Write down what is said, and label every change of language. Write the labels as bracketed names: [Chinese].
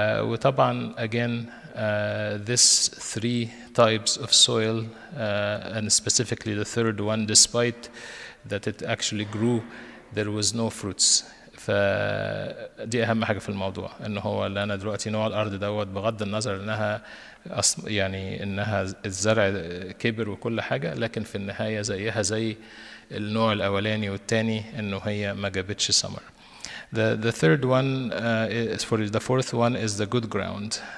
[Arabic] وطبعا [English] again this three types of soil and specifically the third one, despite that it actually grew, there was no fruits. [Arabic] فدي اهم حاجه في الموضوع, ان هو اللي انا دلوقتي نوع الارض دوت بغض النظر انها يعني انها الزرع كبر وكل حاجه, لكن في النهايه زيها زي النوع الاولاني والثاني, انه هي ما جابتش ثمر. [English] The third one is for the fourth one is the good ground.